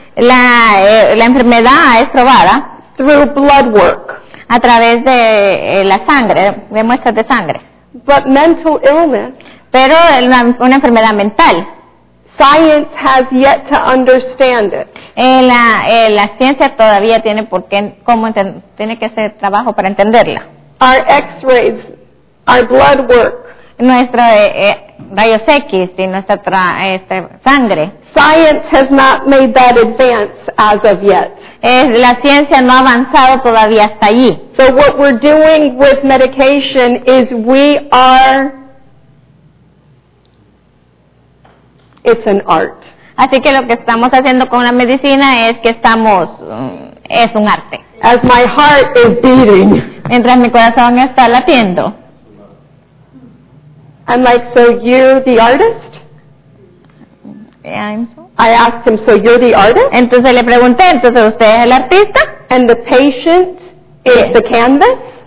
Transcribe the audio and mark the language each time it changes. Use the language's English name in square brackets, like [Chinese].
[Spanish] la enfermedad es probada [English] through blood work [Spanish] a través de la sangre, de muestras de sangre. [English] But mental illness, [Spanish] pero una enfermedad mental, [English] science has yet to understand it. [Spanish] La ciencia todavía tiene por qué cómo tiene que hacer trabajo para entenderla. [English] Our x-rays, our blood work, [Spanish] nuestra rayos X y nuestra sangre. [English] Science has not made that advance as of yet. [Spanish] La ciencia no ha avanzado todavía hasta allí. [English] So what we're doing with medication is we are, it's an art. [Spanish] Así que lo que estamos haciendo con la medicina es que estamos, es un arte. [English] As my heart is beating. [Spanish] Mientras mi corazón está latiendo. [English] I'm like, so you're the artist? I asked him, so you're the artist? [Spanish] Entonces le pregunté, entonces usted es el artista? [English] And the patient is the canvas?